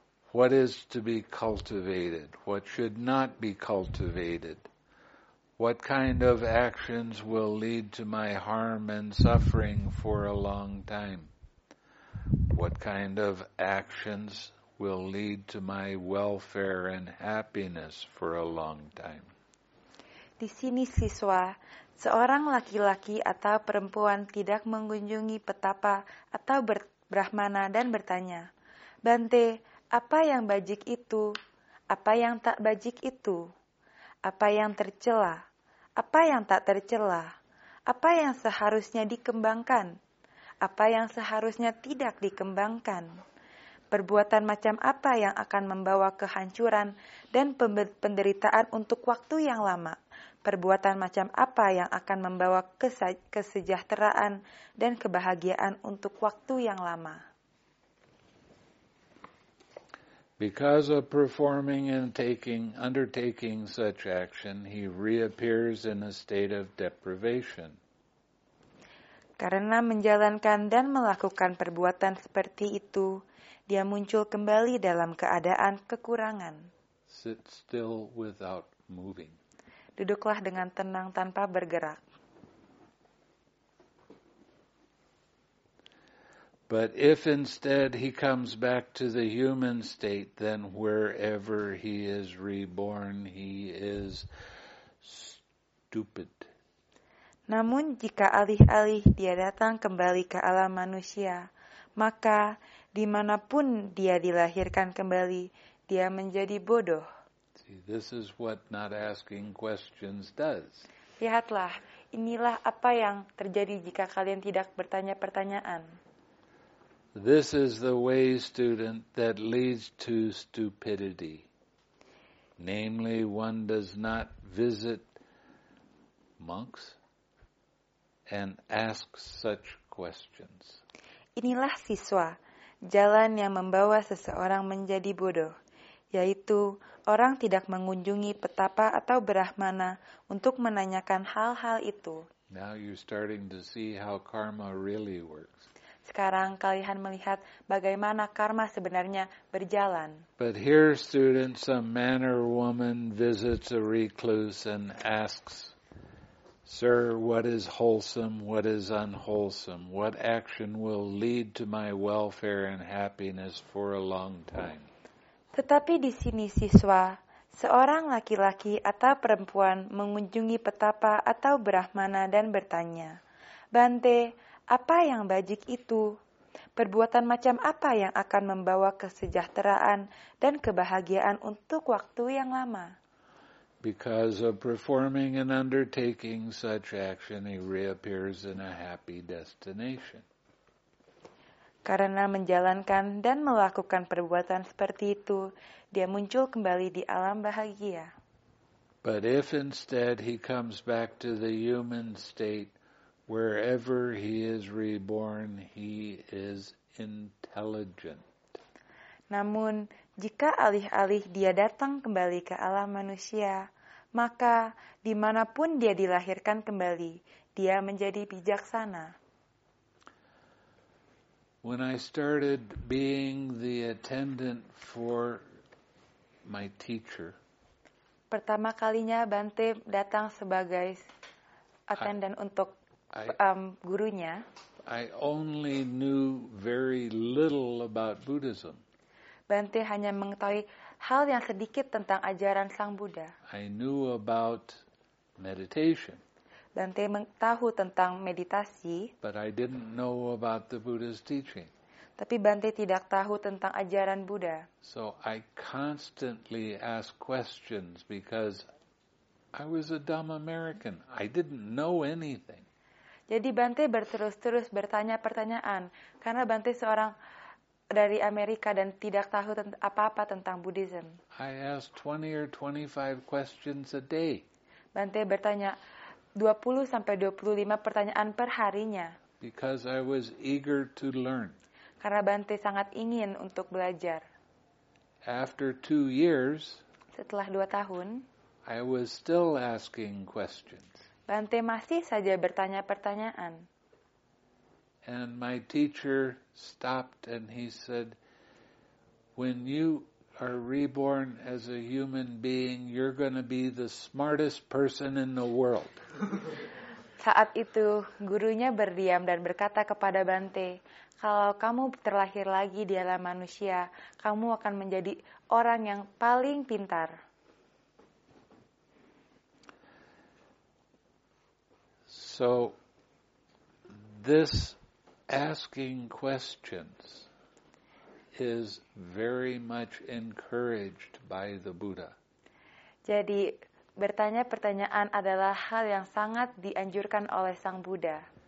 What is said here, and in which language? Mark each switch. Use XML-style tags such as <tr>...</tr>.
<en>What is to be cultivated? What should not be cultivated? What kind of actions will lead to my harm and suffering for a long time? What kind of actions will lead to my welfare and happiness for a long time?</en> <id>Di sini siswa, seorang laki-laki atau perempuan tidak mengunjungi petapa atau brahmana dan bertanya, Bante, apa yang bajik itu? Apa yang tak bajik itu? Apa yang tercela? Apa yang tak tercela? Apa yang seharusnya dikembangkan? Apa yang seharusnya tidak dikembangkan? Perbuatan macam apa yang akan membawa kehancuran dan penderitaan untuk waktu yang lama? Perbuatan macam apa yang akan membawa kesejahteraan dan kebahagiaan untuk waktu yang lama?</id> <en>Because of performing and undertaking such action, he reappears in a state of deprivation.</en> <id>Karena menjalankan dan melakukan perbuatan seperti itu, dia muncul kembali dalam keadaan kekurangan.</id> <en>Sit still without moving.</en> <id>Duduklah dengan tenang tanpa bergerak.</id> <en>But if instead he comes back to the human state, then wherever he is reborn, he is stupid.</en> <id>Namun jika alih-alih dia datang kembali ke alam manusia, maka dimanapun dia dilahirkan kembali, dia menjadi bodoh.</id> <en>See, this is what not asking questions does.</en> <id>Lihatlah, inilah apa yang terjadi jika kalian tidak bertanya pertanyaan.</id> <en>This is the way, student, that leads to stupidity. Namely, one does not visit monks and ask such questions.</en> <id>Inilah siswa, jalan yang membawa seseorang menjadi bodoh, yaitu orang tidak mengunjungi petapa atau brahmana untuk menanyakan hal-hal itu.</id> <en>Now you're starting to see how karma really works.</en> <id>Sekarang kalian melihat bagaimana karma sebenarnya berjalan.</id> <en>But here, students, a man or woman visits a recluse and asks, Sir, what is wholesome, what is unwholesome? What action will lead to my welfare and happiness for a long time?</en> <id>Tetapi di sini, siswa, seorang laki-laki atau perempuan mengunjungi petapa atau brahmana dan bertanya, Bante, apa yang bajik itu? Perbuatan macam apa yang akan membawa kesejahteraan dan kebahagiaan untuk waktu yang lama?</id> <en>Because of performing and undertaking such action, he reappears in a happy destination.</en> <id>Karena menjalankan dan melakukan perbuatan seperti itu, dia muncul kembali di alam bahagia.</id> <en>But if instead he comes back to the human state, wherever he is reborn, he is intelligent.</en> <id>Namun, jika alih-alih dia datang kembali ke alam manusia, maka dimanapun dia dilahirkan kembali, dia menjadi bijaksana.</id> <en>When I started being the attendant for my teacher,</en> <id>pertama kalinya Bante datang sebagai attendant untuk gurunya.</id> <en>I only knew very little about Buddhism.</en> <id>Bante hanya mengetahui hal yang sedikit tentang ajaran Sang Buddha.</id> <en>I knew about meditation.</en> <id>Bante mengetahui tentang meditasi.</id> <en>But I didn't know about the Buddha's teaching.</en> <id>Tapi Bante tidak tahu tentang ajaran Buddha.</id> <en>So I constantly asked questions because I was a dumb American. I didn't know anything.</en> <id>Jadi Bante berterus-terus bertanya pertanyaan karena Bante seorang dari Amerika dan tidak tahu apa-apa tentang Buddhism.</id> <en>I ask 20 or 25 questions a day.</en> <id>Bante bertanya 20 sampai 25 pertanyaan per harinya.</id> <en>Because I was eager to learn.</en> <id>Karena Bante sangat ingin untuk belajar.</id> <en>After 2 years,</en> <id>setelah 2 tahun,</id> <en>I was still asking questions.</en> <id>Bante masih saja bertanya pertanyaan.</id> <en>And my teacher stopped and he said, when you are reborn as a human being, you're going to be the smartest person in the world.</en> <id>Saat itu, gurunya berdiam dan berkata kepada Bante, kalau kamu terlahir lagi di alam manusia, kamu akan menjadi orang yang paling pintar.</id> <en>So, this asking questions is very much encouraged by the Buddha.</en> <id>Jadi, bertanya pertanyaan adalah hal yang sangat dianjurkan oleh Sang Buddha.</id>